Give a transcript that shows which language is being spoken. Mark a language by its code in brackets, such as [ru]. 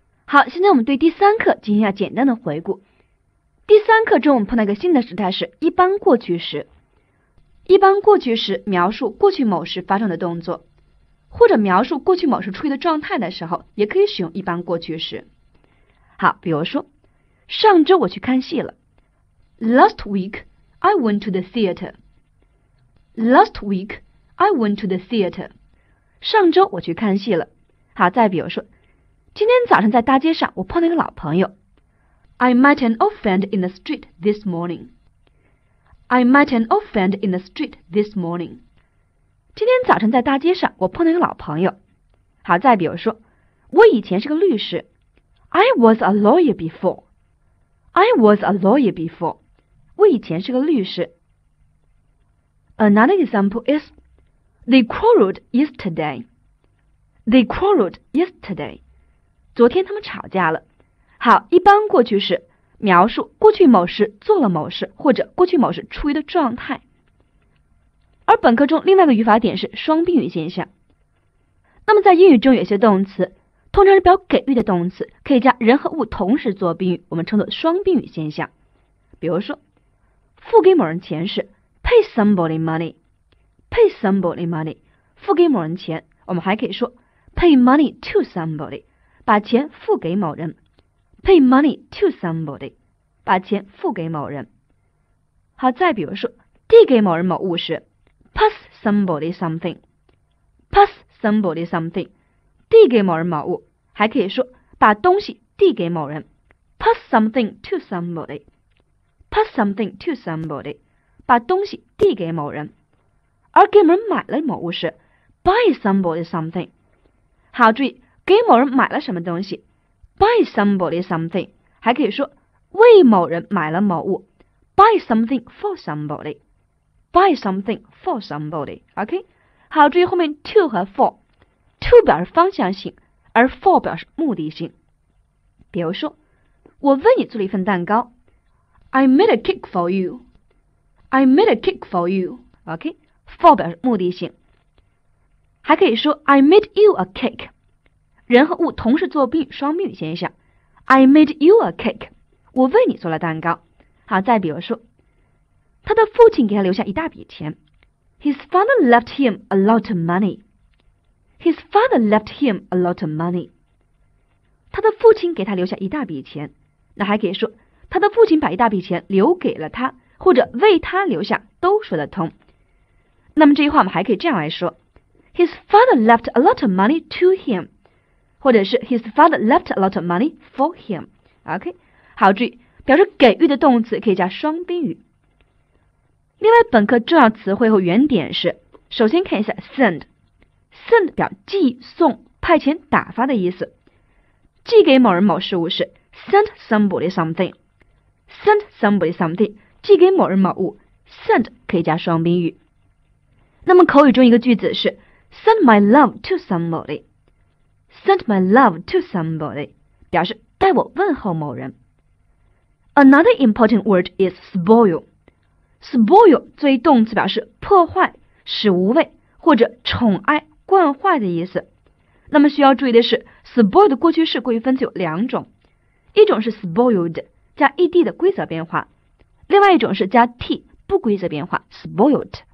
[zh] 好，现在我们对第三课进行一下简单的回顾。第三课中，我们碰到一个新的时态是一般过去时。一般过去时描述过去某事发生的动作，或者描述过去某事处于的状态的时候，也可以使用一般过去时。好，比如说，上周我去看戏了。 [en] Last week, I went to the theater. Last week, I went to the theater. [zh] 上周我去看戏了。好，再比如说，今天早上在大街上，我碰到一个老朋友。 [en] I met an old friend in the street this morning. I met an old friend in the street this morning. [zh] 今天早晨在大街上，我碰到一个老朋友。好，再比如说，我以前是个律师。 [en] I was a lawyer before. I was a lawyer before. [zh] 我以前是个律师。 [en] Another example is, they quarreled yesterday. They quarreled yesterday. [zh] 昨天他们吵架了。好，一般过去式描述过去某事做了某事，或者过去某事处于的状态。而本课中另外一个语法点是双宾语现象。那么在英语中，有些动词通常是表给予的动词，可以将人和物同时做宾语，我们称作双宾语现象。比如说，付给某人钱是 [en] pay somebody money，pay somebody money， [zh] 付给某人钱。我们还可以说 [en] pay money to somebody， [zh] 把钱付给某人。 [en] Pay money to somebody， [zh] 把钱付给某人。好，再比如说，递给某人某物时， [en] pass somebody something，pass somebody something， [zh] 递给某人某物，还可以说把东西递给某人， [en] pass something to somebody， [zh] pass something to somebody，把东西递给某人。而给某人买了某物时， [en] buy somebody something。 [zh] 好，注意给某人买了什么东西。 [en] Buy somebody something， [zh] 还可以说为某人买了某物。 [en] Buy something for somebody。 Buy something for somebody，OK？ [zh] 好，注意后面 to 和 for。To 表示方向性，而 for 表示目的性。比如说，我为你做了一份蛋糕。 [en] I made a cake for you。 I made a cake for you。 OK？For [zh] 表示目的性。还可以说 [en] I made you a cake。 [zh] 人和物同时做宾语，双宾语现象。 [en] I made you a cake， [zh] 我为你做了蛋糕。好，再比如说，他的父亲给他留下一大笔钱。 [en] His father left him a lot of money. His father left him a lot of money. [zh] 他的父亲给他留下一大笔钱。那还可以说，他的父亲把一大笔钱留给了他，或者为他留下，都说得通。那么这句话我们还可以这样来说： [en] His father left a lot of money to him。或者是 his father left a lot of money for him. [zh] OK， 好，注意表示给予的动词可以加双宾语。另外，本课重要词汇和原点是：首先看一下 send，send 表寄、送、派遣、打发的意思。寄给某人某事物是 [en] send somebody something，send somebody something [zh] 寄给某人某物 ，send 可以加双宾语。那么口语中一个句子是 [en] send my love to somebody。 Send my love to somebody [zh] 表示代我问候某人。 [en] Another important word is spoil. [zh] Spoil 作为动词表示破坏、使无味或者宠爱、惯坏的意思。那么需要注意的是 ，spoil 的过去式过去分词有两种，一种是 spoiled 加 ed 的规则变化，另外一种是加 t 不规则变化 spoiled。